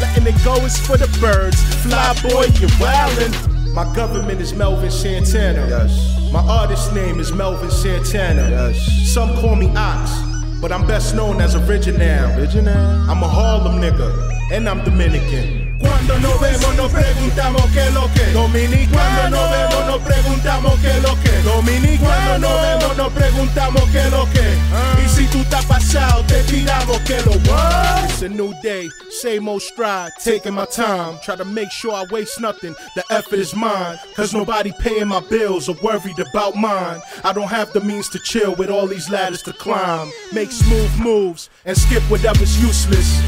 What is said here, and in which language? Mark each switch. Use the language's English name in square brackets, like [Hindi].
[English] Letting it go is for the birds. Fly boy, you're wildin'. My government is Melvin Santana. Yes. My artist name is Melvin Santana. Yes. Some call me Ox, but I'm best known as Original. Original. I'm a Harlem nigga, and I'm Dominican. [Spanish] Cuando nos vemos nos preguntamos qué lo que. Dominicano. Cuando nos vemos nos preguntamos qué lo que. Dominicano. Cuando nos vemos nos preguntamos qué lo que. Y si tú estás pasado te tiramos qué lo que. [English] It's a new day, same old stride, taking my time. Try to make sure I waste nothing, the effort is mine. Cause nobody paying my bills or worried about mine. I don't have the means to chill with all these ladders to climb. Make smooth moves and skip whatever's useless.